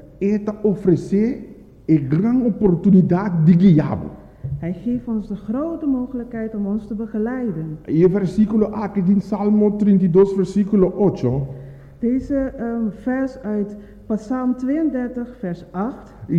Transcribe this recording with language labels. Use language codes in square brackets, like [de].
[es] Él te ofrece una gran oportunidad de guiarlo. [nl] Hij geeft ons de grote mogelijkheid om ons te begeleiden. [es] Y el versículo aquí en Salmo 32, versículo 8. [nl] Deze vers uit Psalm 32, vers 8.